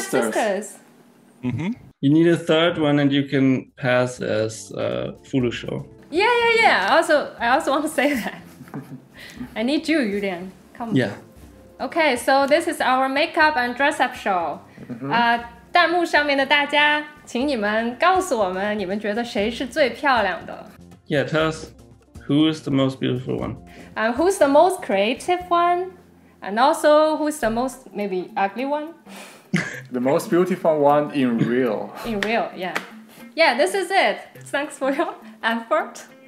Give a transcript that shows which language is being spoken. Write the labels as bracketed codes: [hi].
[en] sisters. Yeah, we're like sisters. Mm-hmm. You need a third one and you can pass as Furusho. Yeah. I also want to say that. I need you, Julian. Come on. Yeah. Okay, so this is our makeup and dress up show. Mm-hmm. [zh] 弹幕上面的大家，请你们告诉我们你们觉得谁是最漂亮的。 [en] Yeah, tell us who is the most beautiful one. And who's the most creative one? And also, who's the most maybe ugly one? The most beautiful one in real. In real, yeah. Yeah, this is it. Thanks for your effort.